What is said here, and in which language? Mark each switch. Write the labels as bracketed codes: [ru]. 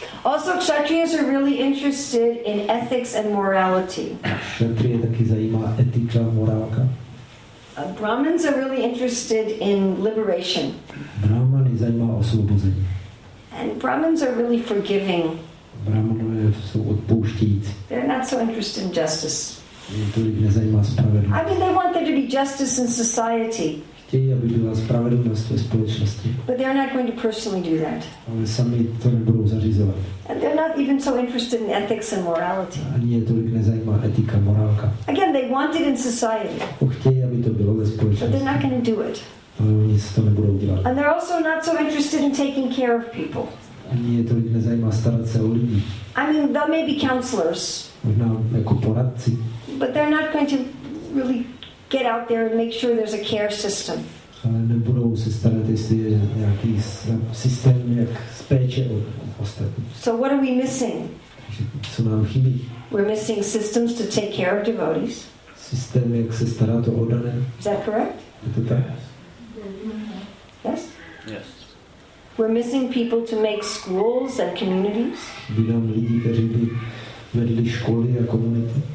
[en] Also, Kshatriyas are really interested in ethics and morality. [cs] Kshatriya taky zajímá etika, morálka. [en] Brahmins are really interested in liberation. [cs] Brahmany zajímá osvobození. [en] And Brahmins are really forgiving. [cs] Brahmanové jsou odpouštějící. [en] They're not so interested in justice. [cs] Tolik nezajímá spravedlnost. [en] I mean, they want there to be justice in society. [cs] Chtějí, aby byla spravedlnost ve společnosti. [en] But they're not going to personally do that. [cs] Ale sami to nebudou zařizovat. [en] And they're not even so interested in ethics and morality. [cs] Ani je tolik nezajímá etika, morálka. [en] Again, they want it in society. [cs] Chtějí, aby to bylo ve společnosti. [en] But they're not going to do it. [cs] Ale oni se to nebudou dělat. [en] And they're also not so interested in taking care of people. [cs] Ani je tolik nezajímá starat se o lidi. [en] I mean, they may be counselors. [cs] Možná jako poradci. [en] But they're not going to really get out there and make sure there's a care system. [cs] Ale nebudou se starat, jestli je nějaký systém, jak s péče o ostatní. [en] So what are we missing? [cs] Co nám chybí? [en] We're missing systems to take care of devotees. [cs] Systém, jak se starat o oddané. [en] Is that correct? [cs] Je to tak? [en] Yes? Yes. We're missing people to make schools and communities. [cs] By nám lidi, kteří by vedli školy a komunity.